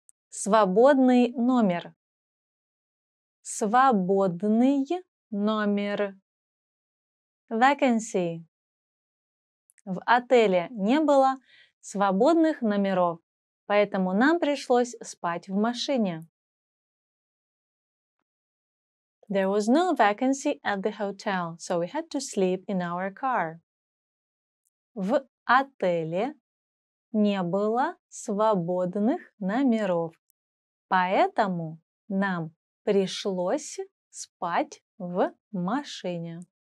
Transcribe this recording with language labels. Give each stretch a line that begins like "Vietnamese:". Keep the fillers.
Russian: Свободный номер. Свободный номер
English: vacancy.
Russian: В отеле не было свободных номеров, поэтому нам пришлось спать в машине.
English: There was no vacancy at the hotel, so we had to sleep in our car.
Russian: В отеле не было свободных номеров, поэтому нам пришлось спать в машине.